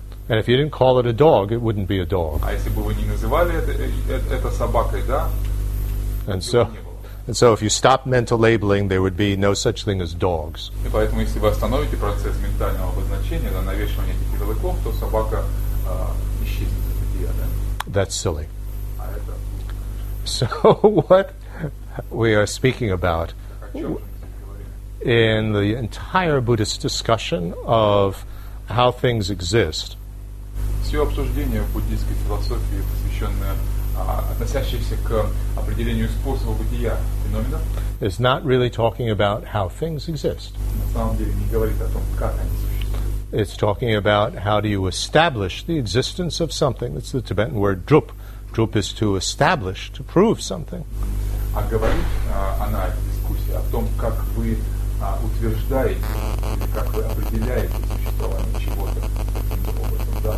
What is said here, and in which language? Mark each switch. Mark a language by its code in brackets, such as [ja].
[en] And if you didn't call it a dog, it wouldn't be a dog. [ru] А если бы вы не называли это собакой, да? [en] And so, if you stop mental labeling, there would be no such thing as dogs. [ru] И поэтому, если вы остановите процесс ментального обозначения, да, навешивания этих ярлыков, то собака исчезнет из бытия, да? [en] That's silly. [ru] А это... [en] So what we are speaking about in the entire Buddhist discussion of how things exist. [ru] Все обсуждение в буддийской философии, посвященное относящееся к определению способа бытия феномена, [en] is not really talking about how things exist. [ru] На самом деле не говорит о том, как они существуют. [en] It's talking about how do you establish the existence of something. That's the Tibetan word drup. Drup is to establish, to prove something. [ru] А говорит она, эта дискуссия, о том, как вы утверждаете, или как вы определяете существование чего-то таким образом.